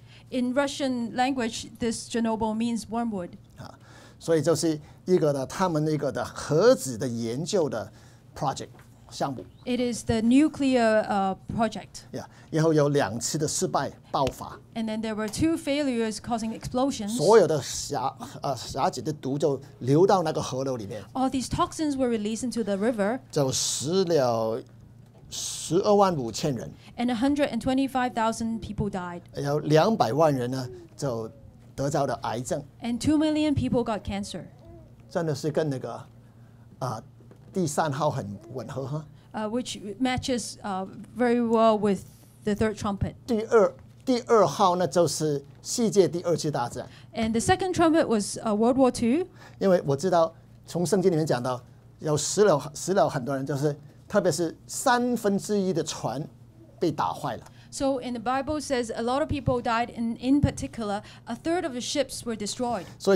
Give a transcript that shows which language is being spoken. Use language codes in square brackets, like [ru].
[en] In Russian language, this Chernobyl means wormwood. [zh] 所以就是一个的他们那个的核子的研究的 [en] project [zh] 项目。 [en] It is the nuclear project. Yeah, [zh] 然后有两次的失败爆发。 [en] And then there were two failures causing explosions. [zh] 所有的瑕疵的毒就流到那个河流里面。 [en] All these toxins were released into the river. [zh] 就死了125,000人。 [en] And 125,000 people died. [zh] 有200万人呢, 就得到了癌症。 [en] And 2 million people got cancer. [zh] 真的是跟那个, 第三号很吻合, huh? [en] Which matches very well with the third trumpet. [zh] 第二号呢就是世界第二次大战。 [en] And the second trumpet was World War II. [zh] 因为我知道从圣经里面讲到 有死了很多人，就是特别是三分之一的船被打坏了。 [en] So in the Bible says a lot of people died, and in particular, a third of the ships were destroyed.